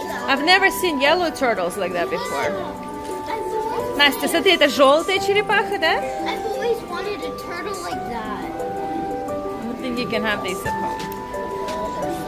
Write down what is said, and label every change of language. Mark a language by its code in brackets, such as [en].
[en] I've never seen yellow turtles like that before. [ru] Настя, смотри, это желтая черепаха, да? [en] I've always wanted a turtle like that. I don't think you can have these at home.